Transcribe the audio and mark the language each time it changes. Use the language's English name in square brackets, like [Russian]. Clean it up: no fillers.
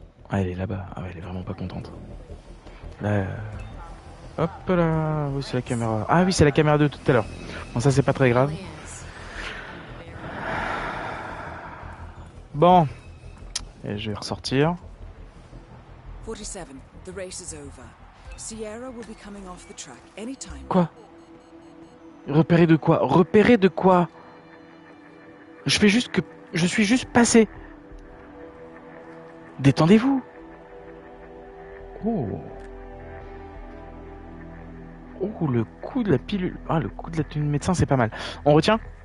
[French] Ah, elle est là-bas. Ah ouais, elle est vraiment pas contente. Là, hop là, où c'est la caméra? Ah oui, c'est la caméra de tout à l'heure. Bon, ça c'est pas très grave. Bon, et je vais ressortir. [English] 47, the race is over. Sierra will be coming off the track anytime. [French] Quoi? Repérer de quoi? Repérer de quoi? Je fais juste que je suis juste passé. Détendez-vous. Oh. Oh, le coup de la pilule. Ah, le coup de la tenue de médecin, c'est pas mal. On retient?